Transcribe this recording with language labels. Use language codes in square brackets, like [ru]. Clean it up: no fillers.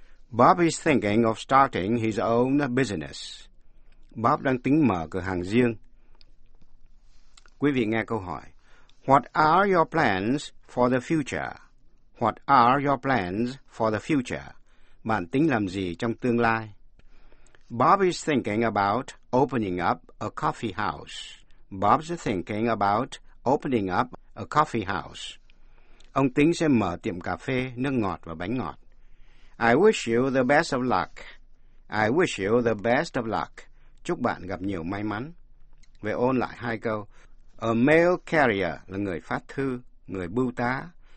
[en] Bob is thinking of starting his own business. [vi] Bob đang tính mở cửa hàng riêng. Quý vị nghe câu hỏi. [en] What are your plans for the future? What are your plans for the future? [vi] Bạn tính làm gì trong tương lai? [en] Bob is thinking about opening up a coffee house. Bob's thinking about opening up a coffee house. [vi] Ông tính sẽ mở tiệm cà phê, nước ngọt và bánh ngọt. [en] I wish you the best of luck. I wish you the best of luck. [vi] Chúc bạn gặp nhiều may mắn. Về ôn lại hai câu. A mail carrier là người phát thư, người bưu tá.